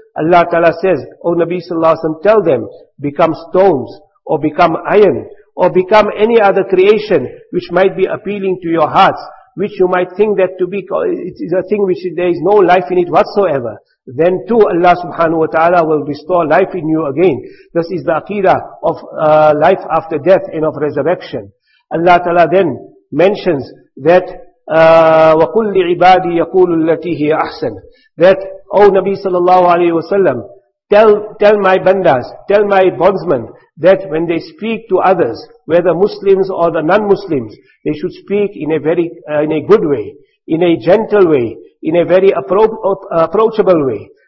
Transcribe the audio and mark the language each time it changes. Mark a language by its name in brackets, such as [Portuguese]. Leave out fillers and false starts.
[English] Allah Ta'ala says, O Nabi Sallallahu Alaihi Wasallam, tell them, become stones or become iron or become any other creation which might be appealing to your hearts, which you might think that to be, it is a thing which there is no life in it whatsoever. Then too Allah Subhanahu Wa Ta'ala will restore life in you again. This is the aqidah of life after death and of resurrection. Allah Ta'ala then mentions that, [Arabic] وَقُلْ لِعِبَادِي يَقُولُ الَّتِي هِيَ أَحْسَنُ. [English] That, O Nabi Sallallahu Alaihi Wasallam, tell my bandas, tell my bondsmen, that when they speak to others, whether Muslims or the non-Muslims, they should speak in a very, in a good way, in a gentle way, in a very approachable way.